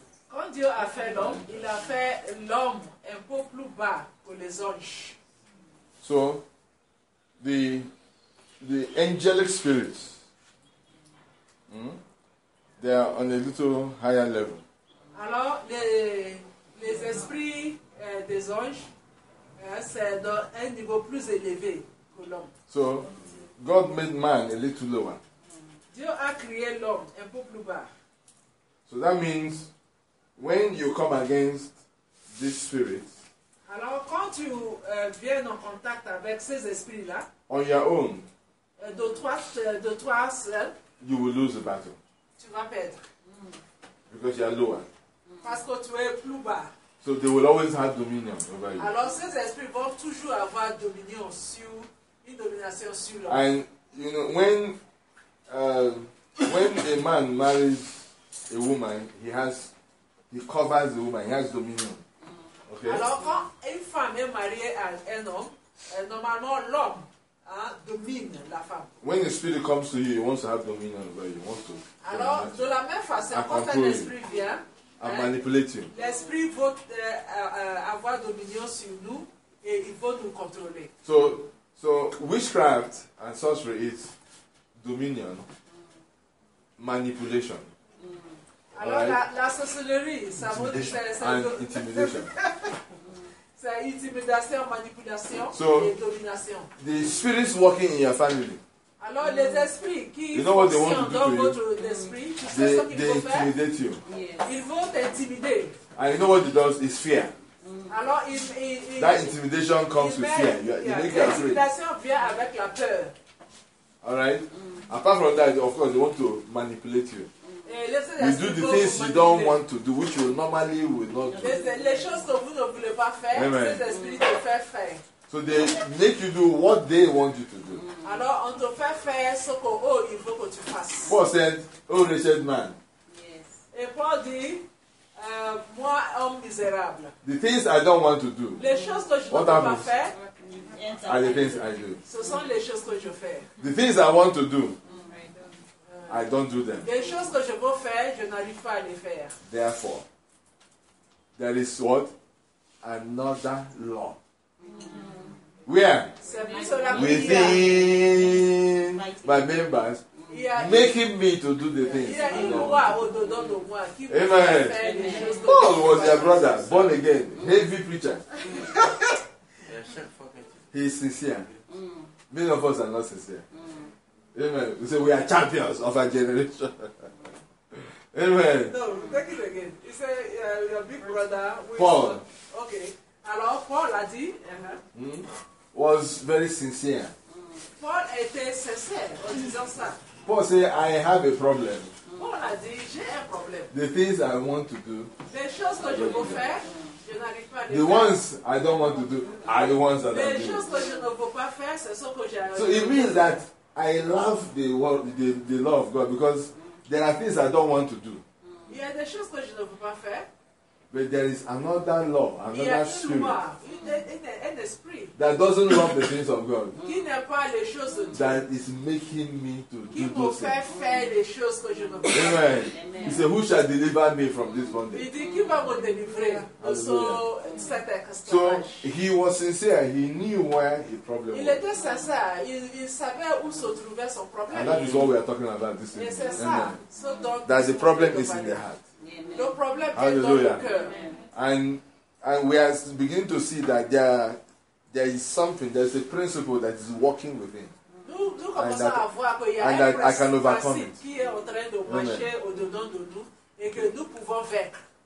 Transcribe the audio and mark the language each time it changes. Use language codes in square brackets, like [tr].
[fr] Quand Dieu a fait l'homme, il a fait l'homme un peu plus bas que les anges. [en] So, the angelic spirits, they are on a little higher level. [fr] Alors, les esprits des anges, c'est dans un niveau plus élevé que l'homme. [en] So, God made man a little lower. [fr] Dieu a créé l'homme un peu plus bas. [en] So that means, when you come against this spirit, [fr] alors quand tu viens en contact avec ces esprits-là, [en] on your own, [fr] de toi seul, [en] you will lose the battle. [fr] Tu vas perdre. [en] Because you are lower. [fr] Parce que tu es plus bas. [en] So they will always have dominion over you. [fr] Alors ces esprits vont toujours avoir dominion sur, une domination sur l'homme. [en] And you know when a man marries a woman, he covers the woman. He has dominion. Okay. [fr] Alors quand une femme est mariée à un homme, normalement l'homme domine la femme. [en] When the spirit comes to you, he wants to have dominion over you. Wants to. [fr] Alors de la même façon, quand un esprit vient, [en] manipulating. [fr] L'esprit veut avoir dominion sur nous et il veut nous contrôler. [en] So witchcraft and sorcery is dominion, manipulation. [fr] Alors [en] right. [fr] la sorcellerie, ça veut dire [en] intimidation. [fr] C'est intimidation, manipulation et domination. [en] The spirits working in your family. [fr] Alors les esprits qui fonctionnent dans votre esprit, tu sais ce qu'ils vont faire? [en] They intimidate you. Yes. [fr] Ils vont t'intimider. [en] And you know what it does? It's fear. [fr] Alors [en] if that intimidation comes with fear, you make you afraid. [fr] Intimidation vient avec la peur. [en] All right. Apart from that, of course, they want to manipulate you. You do the things you don't want to do, which you normally would not do. [fr] Les choses que vous ne voulez pas faire, ces esprits te font faire. [en] So they make you do what they want you to do. [fr] Alors on te fait faire ce qu'il veut que tu fasses. [en] Paul said, oh wretched man. Yes. [fr] Et Paul dit, moi homme misérable. [en] The things I don't want to do, [fr] les choses que je ne veux pas faire, [en] are the things I do. [fr] Ce sont les choses que je fais. [en] The things I want to do, I don't do them. [fr] Les choses que je veux faire, je n'arrive pas à les faire. [en] Therefore, there is what? Another law. Where? Within my members, making me to do the things. Amen. Paul was their brother, born again, heavy preacher. He is sincere. Many of us are not sincere. Amen. We say we are champions of our generation. Amen. No, take it again. He said, your big brother. Paul. [fr] Okay. Alors, Paul a dit, [en] was very sincere. [fr] Paul était sincère en disant ça. [en] Paul said, I have a problem. [fr] Paul a dit, j'ai un problème. [en] The things I want to do. [fr] Les choses que je veux faire. Je n'arrive pas à les [en] the [fr] faire. [en] Ones I don't want to do are the ones that [fr] les [en] I do. [fr] Que je ne veux pas faire, c'est ce que j'ai [en] so it means that I love the world, the law of God because there are things I don't want to do. [fr] Il y a des choses que je ne veux pas faire. [en] But there is another law, another spirit. [fr] Un esprit [en] that doesn't love the things of God. [fr] Qui n'aime pas les choses de Dieu. [en] That is making me to [fr] qui [en] do [fr] me fait faire les choses que je ne veux pas. [en] Amen. He said, who shall deliver me from this bondage? [fr] Il dit, qui va me délivrer de cette esclavage? [en] So, he was sincere. He knew where the problem was. [fr] Il était sincère. Il savait où se trouvait son problème. [en] And that is what we are talking about this evening. Yes, [fr] c'est ça. [en] So, [fr] donc, [en] that the problem is in the heart. [fr] Le problème est dans le cœur. [en] And we are beginning to see that there is something, there is a principle that is working within. And that I can overcome it. [fr] Qui est en train de marcher au-dedans de nous et que nous pouvons vaincre.